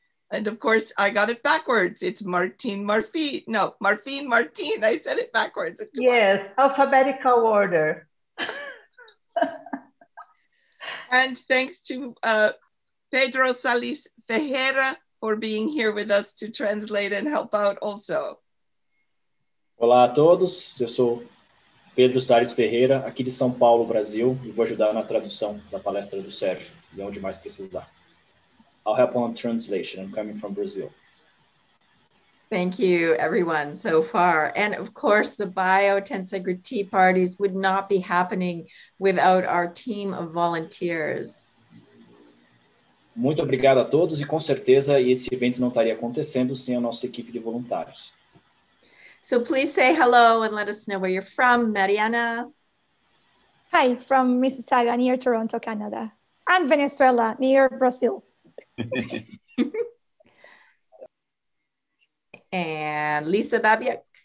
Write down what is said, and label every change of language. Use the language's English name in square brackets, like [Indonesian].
[English] And of course, I got it backwards. It's Martin. I said it backwards. Yes, alphabetical order. And thanks to Pedro Salis Ferreira for being here with us to translate and help out also. [Portuguese] Olá a todos, eu sou Pedro Salles Ferreira, aqui de São Paulo, Brasil, e vou ajudar na tradução da palestra do Sérgio, e onde mais precisar. [English] I'll help on translation, I'm coming from Brazil. Thank you, everyone, so far. And of course, the Bio10Sacred Tea Parties would not be happening without our team of volunteers. [Portuguese] Muito obrigado a todos, e com certeza esse evento não estaria acontecendo sem a nossa equipe de voluntários. [English] So please say hello and let us know where you're from. Mariana. Hi, from Mississauga near Toronto, Canada. And Venezuela near Brazil. And Lisa Babiak.